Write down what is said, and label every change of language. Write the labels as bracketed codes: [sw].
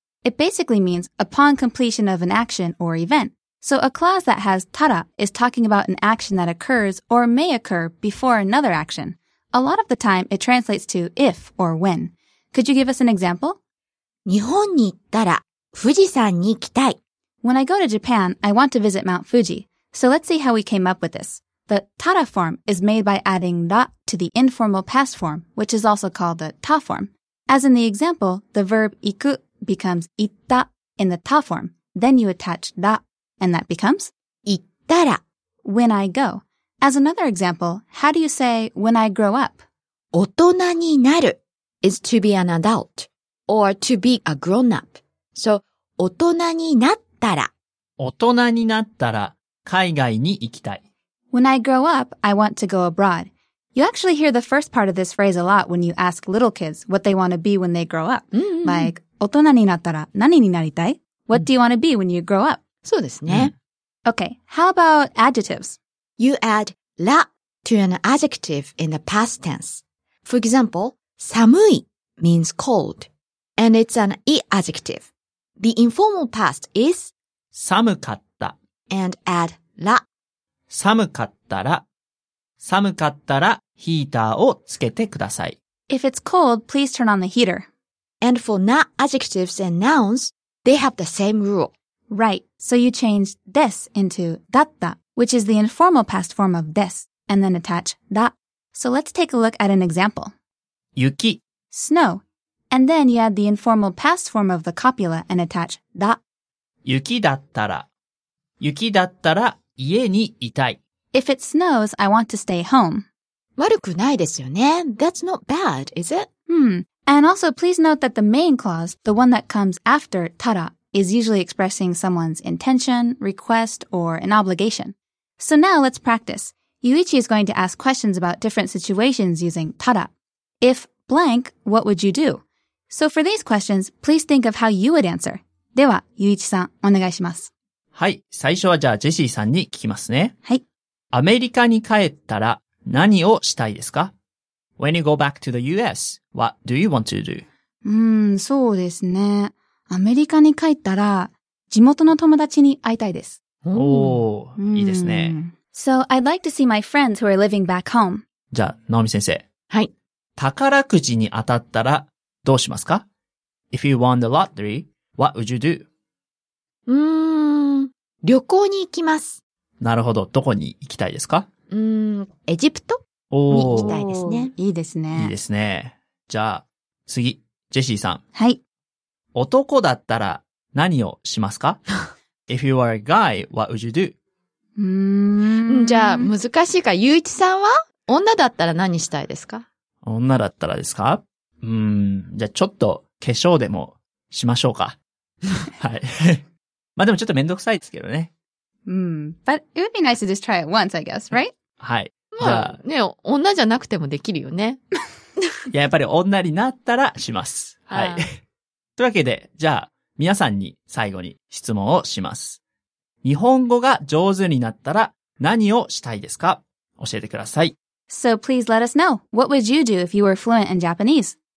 [en] It basically means upon completion of an action or event. So a clause that has tara is talking about an action that occurs or may occur before another action. A lot of the time, it translates to if or when. Could you give us an example? [ja] 日本に行ったら富士山に行きたい。 [en] When I go to Japan, I want to visit Mount Fuji. So let's see how we came up with this. The tara form is made by adding ra to the informal past form, which is also called the ta form. As in the example, the verb 行く becomes 行った in the ta form. Then you attach ra, and that becomes [ja] 行ったら [en] when I go. As another example, how do you say when I grow up? 大人になる is to be an adult or to be a grown up. [ja] So 大人になったら大人になったら海外に行きたい。 [en] When I grow up, I want to go abroad. You actually hear the first part of this phrase a lot when you ask little kids what they want to be when they grow up. Mm-hmm. [ja] Like, 大人になったら何になりたい? [en] What do you want to be when you grow up? [ja] そうですね。 [en] Okay, how about adjectives? You add ら to an adjective in the past tense. For example, 寒い means cold, and it's an い adjective. The informal past is [ja] 寒かった [en] and add ら [ja] 寒かったら、寒かったらヒーターをつけてください。 [en] If it's cold, please turn on the heater. And for な adjectives and nouns, they have the same rule. Right, so you change です into だった, which is the informal past form of です, and then attach だ. So let's take a look at an example. [ja] 雪 [en] snow. And then you add the informal past form of the copula and attach だ. [ja] 雪だったら、雪だったら家にいたい。 [en] If it snows, I want to stay home. [ja] 悪くないですよね。 [en] That's not bad, is it? And also, please note that the main clause, the one that comes after tara, is usually expressing someone's intention, request, or an obligation. So now let's practice. Yuichi is going to ask questions about different situations using tara. If blank, what would you do? So for these questions, please think of how you would answer. [ja] では、Yuichi-san、お願いします。はい、最初はじゃあジェシーさんに聞きますね。はい。アメリカに帰ったら何をしたいですか? [en] When you go back to the US, what do you want to do? [ja] そうですね。アメリカに帰ったら地元の友達に会いたいです。おー、いいですね。 [en] So, I'd like to see my friends who are living back home. [ja] じゃあ、ナオミ先生。はい。宝くじに当たったらどうしますか? [en] If you won the lottery, what would you do? [ja] 旅行に行きます。なるほど。どこに行きたいですか? エジプトに行きたいですね。いいですね。いいですね。じゃあ、次、ジェシーさん。はい。男だったら何をしますか [en] ?If you are a guy, what would you do? [ja] じゃあ、難しいか。ゆういちさんは女だったら何したいですか? 女だったらですか? じゃあ、ちょっと化粧でもしましょうか。はい。まあでもちょっとめんどくさいですけどね。 [en] But it would be nice to just try it once, I guess, right? [ja] はい。まあ、ね、女じゃなくてもできるよね。いや、やっぱり女になったらします。はい。というわけで、じゃあ、皆さんに最後に質問をします。日本語が上手になったら何をしたいですか? 教えてください。 [en] So please let us know. What would you do if you were fluent in Japanese?